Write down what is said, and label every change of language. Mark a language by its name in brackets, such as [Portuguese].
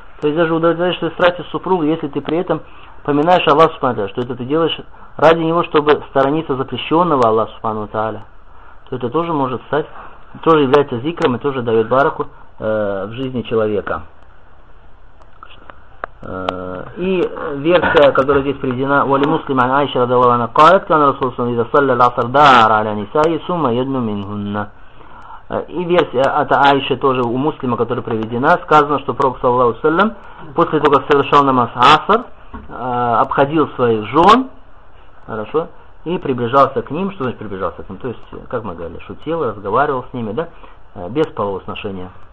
[Russian] То есть даже удовлетворение своей страсти супруга, если ты при этом поминаешь Аллаха Субхану ва Тааля, что это ты делаешь ради него, чтобы сторониться запрещенного Аллаха Субхану ва Тааля, то это тоже может стать, тоже является зикром и тоже дает бараку в жизни человека. И версия, которая здесь приведена, «Вали муслима Айша радиаллаху анха [Arabic] قالت كان رسول الله صلى الله عليه وسلم إذا صلى العصر دار على نسائه ثم يدنو منهن». [Russian] И версия от Айши тоже у муслима, которая приведена, сказано, что Пророк саллаллаху алейхи ва саллям после того, как совершал намаз аср, обходил своих жен, хорошо, и приближался к ним, что значит приближался к ним, то есть, как мы говорили, шутил, разговаривал с ними, да, без полового сношения.